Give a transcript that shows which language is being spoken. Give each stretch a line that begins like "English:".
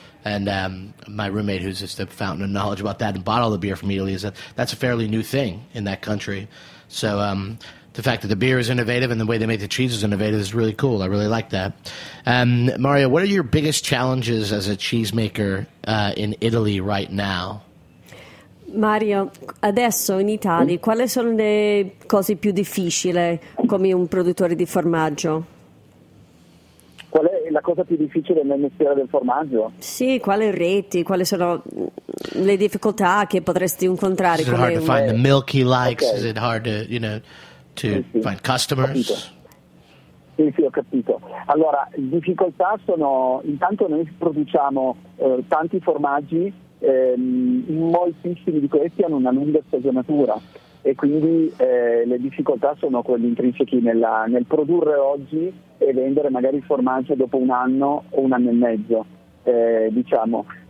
English: And my roommate, who's just a fountain of knowledge about that and bought all the beer from Italy, is that that's a fairly new thing in that country. So. The fact that the beer is innovative and the way they make the cheese is innovative is really cool. I really like that. Mario, what are your biggest challenges as a cheesemaker in Italy right now?
Italian: Mario, adesso in Italia, quali sono le cose più difficili come un produttore di formaggio? Qual è la cosa più difficile nel mestiere del formaggio? Sì, quali reti, quali sono le difficoltà che potresti incontrare?
English: Is it hard to find the milk he likes? Okay. Is it hard to, you know... To
Italian: sì,
English: find customers?
Italian: Capito. Sì, ho capito. Allora, difficoltà sono... Intanto noi produciamo tanti formaggi, moltissimi di questi hanno una lunga stagionatura e quindi le difficoltà sono quelle intrinseche nel produrre oggi e vendere magari il formaggio dopo un anno o un anno e mezzo, diciamo.